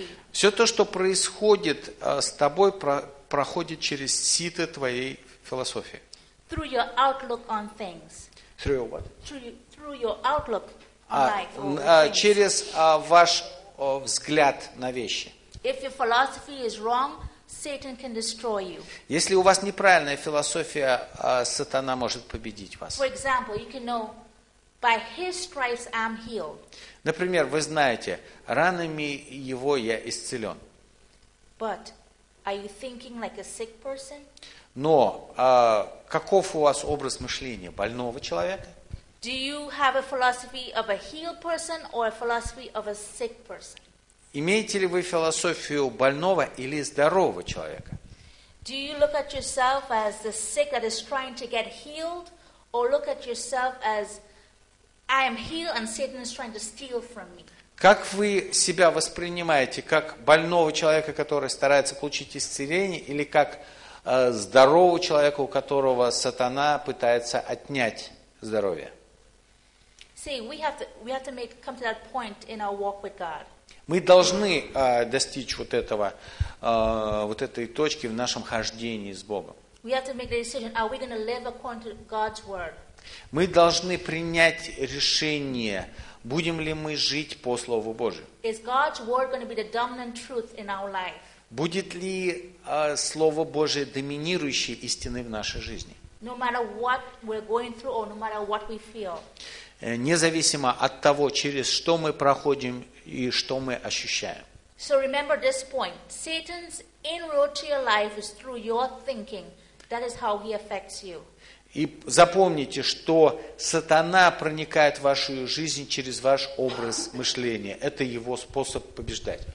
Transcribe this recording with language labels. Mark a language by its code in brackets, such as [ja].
[ru] Все то, что происходит с тобой, проходит через сито твоей философии. [en] Through your outlook on things. Through your what? Through your outlook on life. [ru] Через ваш взгляд на вещи. [en] If your philosophy is wrong, Satan can destroy you. [ru] Если у вас неправильная философия, сатана может победить вас. [en] For example, you can know. By his stripes I'm healed. [ru] Например, вы знаете, ранами его я исцелен. [en] But are you thinking like a sick person? [ru] Но каков у вас образ мышления больного человека? [en] Do you have a philosophy of a healed person or a philosophy of a sick person? [ru] Имеете ли вы философию больного или здорового человека? [en] Do you look at yourself as the sick that is trying to get healed, or look at yourself as I am healed and Satan is trying to steal from me? [ru] Как вы себя воспринимаете, как больного человека, который старается получить исцеление, или как здорового человека, у которого сатана пытается отнять здоровье? [en] See, we have to make come to that point in our walk with God. [ru] Мы должны достичь вот этого, вот этой точки в нашем хождении с Богом. [en] We have to make the decision: are we going to live according to God's word? [ru] Мы должны принять решение: будем ли мы жить по Слову Божию? [en] Is God's word going to be the dominant truth in our life? [ru] Будет ли Слово Божие доминирующей истиной в нашей жизни? [en] No matter what we're going through or no matter what we feel. [ru] Независимо от того, через что мы проходим и что мы ощущаем. [en] So remember this point: Satan's inroad to your life is through your thinking. That is how he affects you. [ru] И запомните, что сатана проникает в вашу жизнь через ваш образ мышления. Это его способ побеждать.